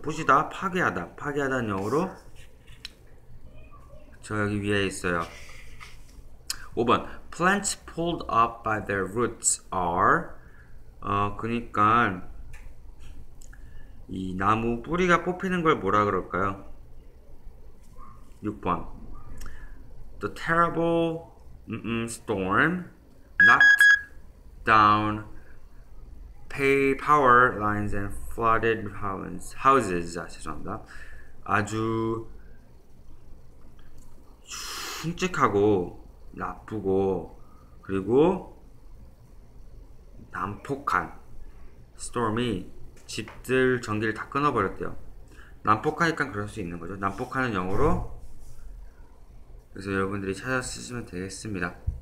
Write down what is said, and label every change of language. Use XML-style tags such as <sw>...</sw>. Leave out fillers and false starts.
<ko>부시다, 파괴하다. 파괴하다는 영어로 저 여기 위에 있어요. 5번.</ko> <en>Plants pulled up by their roots are</en> <ko>그러니까 이 나무 뿌리가 뽑히는 걸 뭐라 그럴까요? 6번.</ko> <en>The terrible storm knocked down power lines and flooded houses.</en> <ko>아, 죄송합니다. 아주 흉측하고 나쁘고 그리고 난폭한 스톰이 집들 전기를 다 끊어버렸대요. 난폭하니까 그럴 수 있는 거죠. 난폭하는 영어로 그래서 여러분들이 찾아 쓰시면 되겠습니다.</ko>